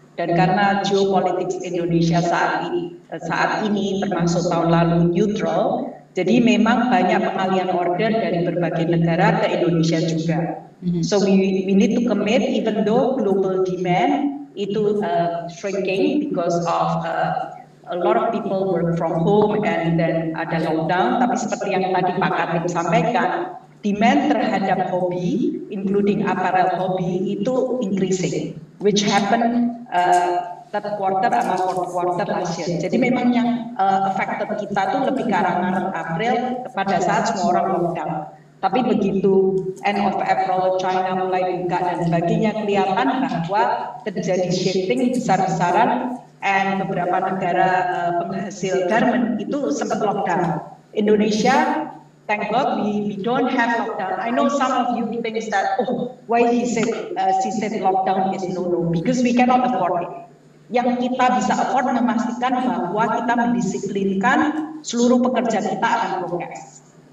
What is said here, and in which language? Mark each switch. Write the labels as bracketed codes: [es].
[id] Dan karena geopolitik Indonesia saat ini termasuk tahun lalu neutral. Jadi memang banyak pengalian order dari berbagai negara ke Indonesia juga. [en] So we need to commit even though global demand itu shrinking because of a lot of people work from home and then ada lockdown. [id] Tapi seperti yang tadi Pak Katim sampaikan, demand terhadap hobi, including apparel hobi itu increasing, [en] which happened third quarter [id] sama [en] fourth quarter last year. [id] Jadi memang yang affected kita tuh lebih ke arah Maret April pada saat semua orang lockdown. Tapi begitu [en] end of April [id] China mulai buka dan sebagainya, kelihatan bahwa terjadi shifting besar-besaran and beberapa negara penghasil garment itu sempat lockdown. Indonesia [en] thank God we don't have lockdown. I know some of you think that, oh, why he said, she said lockdown is no, because we cannot afford it. [id] Yang kita bisa afford memastikan bahwa kita mendisiplinkan seluruh pekerja kita akan progress.